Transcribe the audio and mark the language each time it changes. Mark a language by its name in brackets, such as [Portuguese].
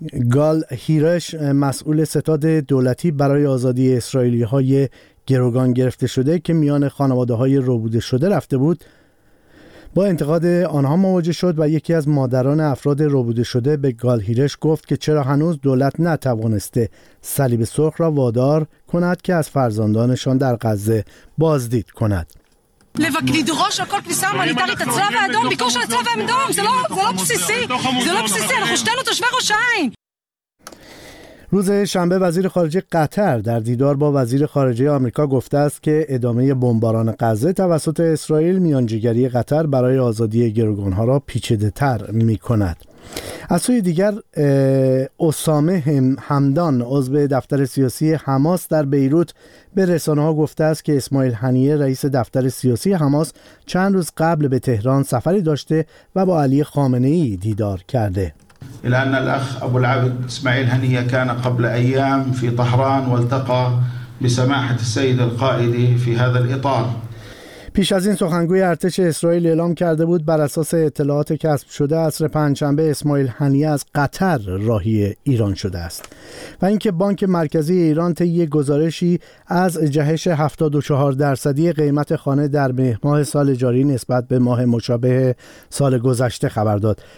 [Persian] گال هیرش مسئول ستاد دولتی برای آزادی اسرائیلی‌های گروگان گرفته شده که میان خانواده‌های ربوده شده رفته بود، با انتقاد آنها مواجه شد و یکی از مادران افراد ربوده شده به گال هیرش گفت که چرا هنوز دولت نتوانسته صلیب سرخ را وادار کند که از فرزندانشان در غزه بازدید کند. [Hebrew] לדרוש על כל כניסה הומניטרית הצלב האדום, ביקור של הצלב האדום, זה לא בסיסי, זה לא בסיסי, אנחנו שתינו תושבי ראש העין. [Persian] روز شنبه وزیر خارجه قطر در دیدار با وزیر خارجه آمریکا گفته است که ادامه بمباران غزه توسط اسرائیل میانجیگری قطر برای آزادی گروگان‌ها را پیچیده‌تر می‌کند. از سوی دیگر اسامه همدان عضو دفتر سیاسی حماس در بیروت به رسانه‌ها گفته است که اسماعیل هنیه رئیس دفتر سیاسی حماس چند روز قبل به تهران سفری داشته و با علی خامنه‌ای دیدار کرده. [Arabic] إلى أن الأخ أبو العبد إسماعيل هنية كان قبل أيام في طهران والتقى بسماحة السيد القائد في هذا الإطار. [Persian] پیش از این سخنگوی ارتش اسرائیل اعلام کرده بود بر اساس اطلاعات کسب شده عصر پنجشنبه اسماعیل هنیه از قطر راهی ایران شده است. و اینکه بانک مرکزی ایران طی گزارشی از جهش 74% قیمت خانه در مهر ماه سال جاری نسبت به ماه مشابه سال گذشته خبر داد.